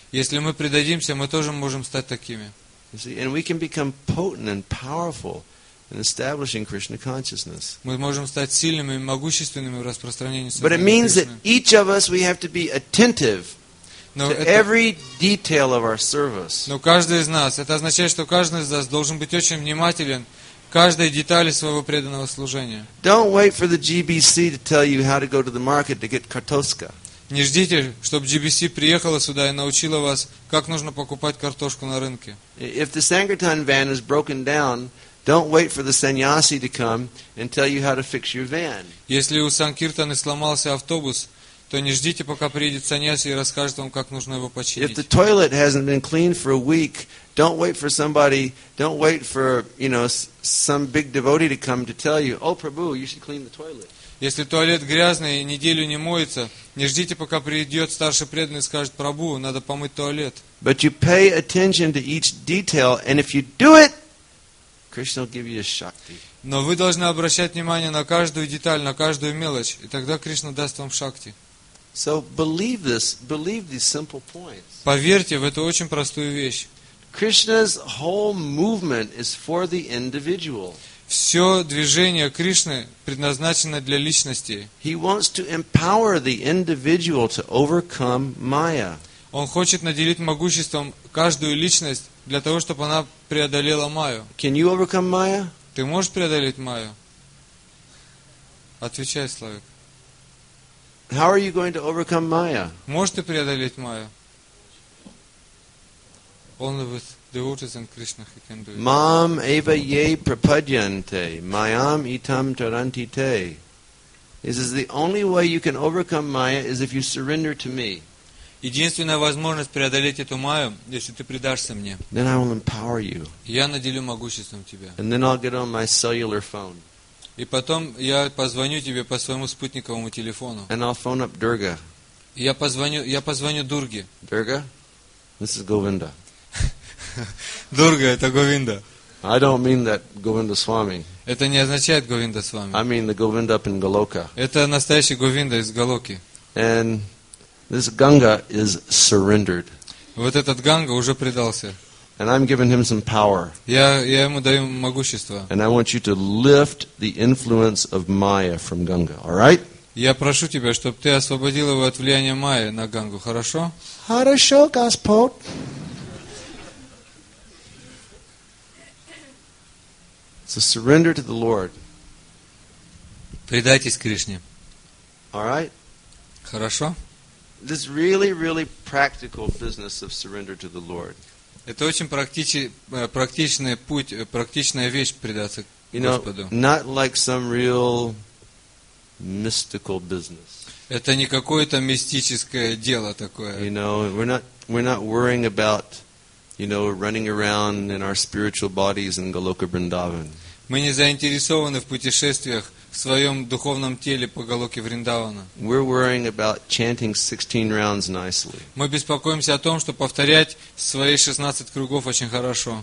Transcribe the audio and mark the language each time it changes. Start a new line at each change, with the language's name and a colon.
Russian: Если мы предадимся, мы тоже можем стать такими.
English: You see, and we can become potent and powerful in establishing Krishna consciousness.
Russian: Мы можем стать сильными и могущественными в распространении Кришны.
English: But it means that each of us, we have to be attentive to every detail of our service.
Russian: Но каждый из нас, это означает, что каждый из нас должен быть очень внимателен к каждой детали своего преданного служения.
English: Don't wait for the GBC to tell you how to go to the market to get kartoska.
Russian: Не ждите, чтобы GBC приехала сюда и научила вас, как нужно покупать картошку на рынке.
English: If the Sankirtan van is broken down, don't wait for the sannyasi to come and tell you how to fix your van.
Russian: Если у Санкиртаны сломался автобус, то не ждите, пока приедет сannyasi и расскажет вам, как нужно его починить.
English: If the toilet hasn't been cleaned for a week, don't wait for you know, some big devotee to come to tell you, oh Prabhu, you should clean the toilet.
Russian: Если туалет грязный и неделю не моется, не ждите, пока придет старший преданный и скажет, Прабу, надо помыть туалет.
English: But you pay attention to each detail, and if you do it, Krishna will give you a shakti.
Russian: Но вы должны обращать внимание на каждую деталь, на каждую мелочь, и тогда Кришна даст вам шакти.
English: So believe this, believe these simple points.
Russian: Поверьте в эту очень простую вещь.
English: Krishna's whole movement is for the individual.
Russian: Все движение Кришны предназначено для личности.
English: He wants to empower the individual to overcome Maya.
Russian: Он хочет наделить могуществом каждую личность для того, чтобы она преодолела Майю.
English: Can you overcome Maya?
Russian: Ты можешь преодолеть Майю? Отвечай, Славик.
English: How are you going to overcome Maya?
Russian: Можешь ты преодолеть Майю?
English: Only with devotees and Krishna he can do it.
Sanskrit: Mam eva ye prapadyante, mayam itam taranti te.
English: He says the only way you can overcome Maya is if you surrender to me.
Russian: Единственная возможность преодолеть эту Майю, если ты предашься мне.
English: Then I will empower you.
Russian: Я наделю могуществом тебя.
English: And then I'll get on my cellular phone.
Russian: И потом я позвоню тебе по своему спутниковому телефону.
English: And I'll phone up Durga.
Russian: Я позвоню Дурге.
English: Durga, this is Govinda.
Russian: Дурга, это Говинда.
English: I don't mean that Govinda Swami.
Russian: Это не означает Говинда Свами.
English: I mean the Govinda up in Goloka.
Russian: Это настоящий Говинда из Голоки.
English: And this Ganga is surrendered.
Russian: Вот этот Ганга уже предался.
English: And I'm giving him some power.
Russian: Я ему даю могущество.
English: And I want you to lift the influence of Maya from Ganga. All right?
Russian: Я прошу тебя, чтобы ты освободил его от влияния Майи на Гангу. Хорошо? Хорошо, Господь.
English: So surrender to the Lord.
Russian: Предайтесь Кришне.
English: All right?
Russian: Хорошо?
English: This really, really practical business of surrender to the Lord.
Russian: Это очень практичный путь, практичная вещь предаться Господу.
English: Not like some real mystical business.
Russian: Это не какое-то мистическое дело такое.
English: You know, we're not worrying about, you know, running around in our spiritual bodies in Goloka Vrindavan.
Russian: Мы не заинтересованы в путешествиях в своем духовном теле по Галоке Вриндавана.
English: We're worrying about chanting 16 rounds nicely.
Russian: Мы беспокоимся о том, что повторять свои 16 кругов очень хорошо.